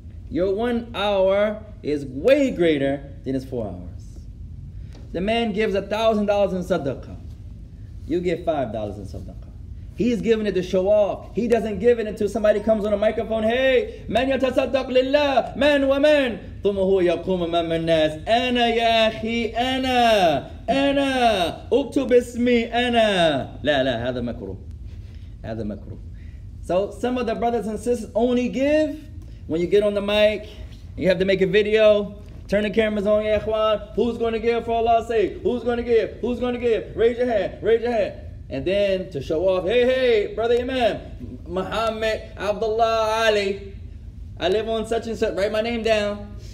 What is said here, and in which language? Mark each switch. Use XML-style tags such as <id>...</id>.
<en>Your 1 hour is way greater than his 4 hours. The man gives $1,000 in sadaqah. You give $5 in sadaqah. He's giving it to show off. He doesn't give it until somebody comes on a microphone. Hey, man yatasaddaq lillah, man wa man.</en> <ar>ثمه يقوم أمام الناس أنا يا أخي أنا أنا أكتب اسمي أنا لا لا هذا مكروه هذا مكروه.</ar> <en>So some of the brothers and sisters only give when you get on the mic, you have to make a video, turn the cameras on. Ya Ikhwan, who's going to give for Allah's sake? Who's going to give? Who's going to give? Raise your hand, raise your hand. And then to show off, hey, hey, brother Imam Muhammad Abdullah Ali, I live on such and such, write my name down.</en>